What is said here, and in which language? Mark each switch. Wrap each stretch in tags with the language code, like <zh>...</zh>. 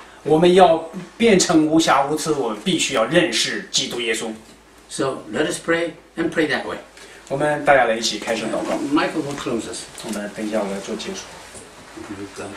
<zh>我们要变成无瑕无疵，我们必须要认识基督耶稣。</zh> <en>So let us pray and pray that way.</en> <zh>我们大家来一起开始祷告。</zh> <en>Michael will close us.</en> <zh>我们等一下，我来做结束。</zh>